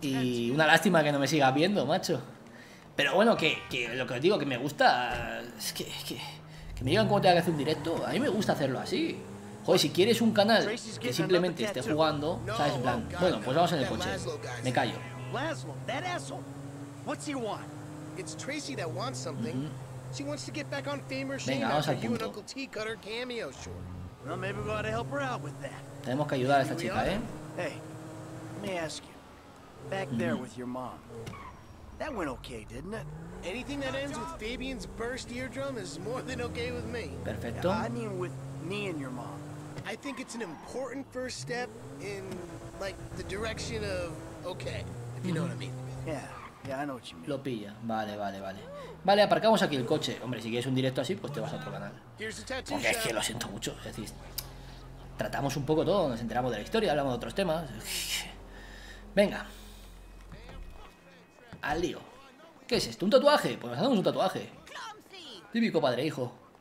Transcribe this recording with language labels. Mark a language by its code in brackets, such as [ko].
[es] y una lástima que no me sigas viendo, macho. Pero bueno, que lo que os digo, que me gusta, es que me digan cómo tengo que hacer un directo. A mí me gusta hacerlo así. Joder, si quieres un canal que simplemente esté jugando, sabes, en plan, bueno, pues vamos en el coche. Me callo. [en] Laszlo, that asshole. What's he want? It's Tracy that wants something. She wants to get back on Famer Shane after you and Uncle T cut her cameo short. Well, maybe we ought to help her out with that. [es] Tenemos que ayudar a esta chica, ¿eh? [en] Hey, let me ask you. Back there with your mom. That went okay, didn't it? Anything that ends with Fabian's burst eardrum is more than okay with me. [es] Perfecto. [en] I mean with me and your mom. I think it's an important first step in, like, the direction of okay, if you know what I mean. Yeah. Yeah, I know what you mean. [es] Lo pilla. Vale, vale, vale. Vale, aparcamos aquí el coche. Hombre, si quieres un directo así, pues te vas a otro canal. Porque es que lo siento mucho. Es decir, tratamos un poco todo, nos enteramos de la historia, hablamos de otros temas. Venga. Al lío. ¿Qué es esto? ¿Un tatuaje? Pues nos hacemos un tatuaje. Típico padre e hijo.